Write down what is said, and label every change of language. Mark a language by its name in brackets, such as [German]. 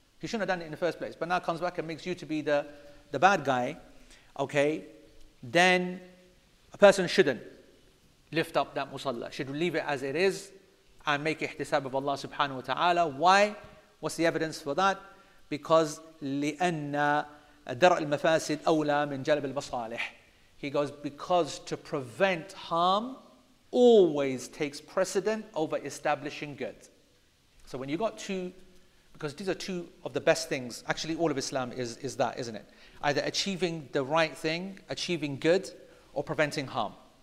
[English] He shouldn't have done it in the first place, but now comes back and makes you to be the bad guy, okay, then a person shouldn't lift up that musalla, should leave it as it is, and make ihtisab of Allah subhanahu wa ta'ala. Why? What's the evidence for that? Because [Arabic] لِأَنَّ دَرَعَ الْمَفَاسِدْ أَوْلَى مِنْ جَلَبِ الْمَصَالِحِ. [English] He goes, because to prevent harm always takes precedent over establishing good. So when you got two, because these are two of the best things, actually all of Islam is that, isn't it? Either achieving the right thing, achieving good, or preventing harm.